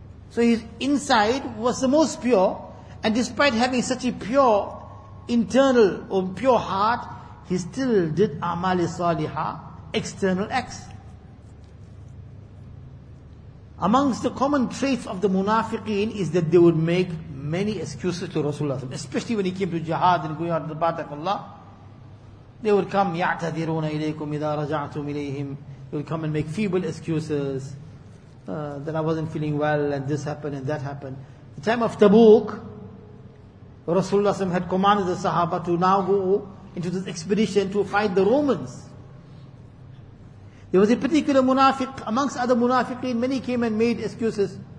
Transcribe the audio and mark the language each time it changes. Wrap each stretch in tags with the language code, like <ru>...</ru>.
<en>So his inside was the most pure, and despite having such a pure internal or pure heart, he still did amal salih, external acts. Amongst the common traits of the munafiqeen is that they would make many excuses to Rasulullah, especially when he came to jihad and going out to the battle of Allah.</en> <ar>They would come, يَعْتَذِرُونَ إِلَيْكُمْ إِذَا رَجَعْتُمْ إِلَيْهِمْ.</ar> <en>They would come and make feeble excuses, that I wasn't feeling well, and this happened and that happened. The time of Tabuk, Rasulullah had commanded the Sahaba to now go into this expedition to fight the Romans. There was a particular munafiq, amongst other munafiqeen, many came and made excuses.</en>